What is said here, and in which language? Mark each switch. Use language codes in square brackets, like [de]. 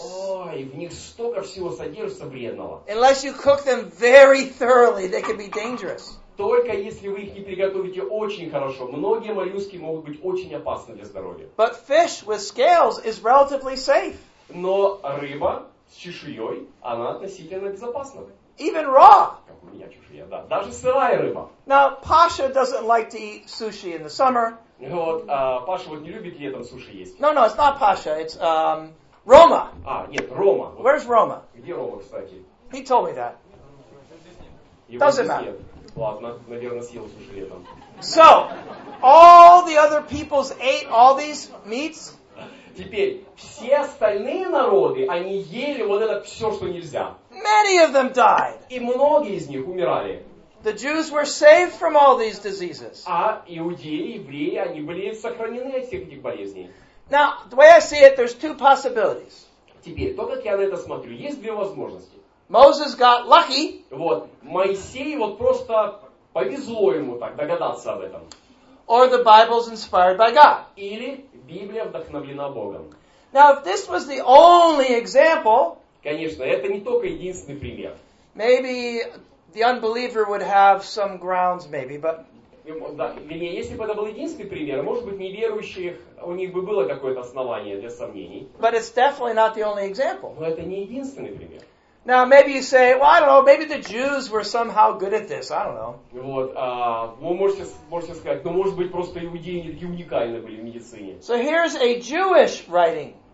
[ru] Ой, в них столько всего содержится вредного. [en] Unless you cook them very thoroughly, they can be dangerous. [ru] Только если вы их не приготовите очень хорошо, многие моллюски могут быть очень опасны для здоровья. [en] But fish with scales is relatively safe. [ru] Но рыба с чешуей, она относительно безопасна. [en] Even raw. [ru] Как у меня чешуя, да. Даже сырая рыба. [en] Now, Pasha doesn't like to eat sushi in the summer. [ru] Вот, Паша вот не любит летом суши есть. [en] No, it's not Pasha, it's Roma. [ru] А, нет, Roma. [en] Where's Roma? [ru] Где Roma, кстати? [en] He told me that. Doesn't matter. [ru] Ладно, наверное, съел суши летом. [en] So, all the other peoples ate all these meats? [ru] Теперь, все остальные народы, они ели вот это все, что нельзя. [en] Many of them died. [ru] И многие из них умирали. [en] The Jews were saved from all these diseases. [ru] А иудеи, евреи, они были сохранены от всех этих болезней. [en] Now, the way I see it, there's two possibilities. [ru] Теперь, то, как я на это смотрю, есть две возможности. [en] Moses got lucky. [ru] Вот, Моисей вот просто повезло ему так догадаться об этом. [en] Or the Bible's inspired by God. [ru] Или Библия вдохновлена Богом. [en] Now, if this was the only example, [ru] конечно, это не только единственный пример. [en] Maybe the unbeliever would have some grounds, maybe, but... [ru] Да, вернее, если бы это был единственный пример, может быть, неверующих, у них бы было какое-то основание для сомнений. [en] But it's definitely not the only example. [ru] Но это не единственный пример. [en] Now, maybe you say, well, I don't know, maybe the Jews were somehow good at this, I don't know. [ru] Вот, вы можете сказать, ну, может быть, просто иудеи не такие уникальны были в медицине. [en] So here's a Jewish writing.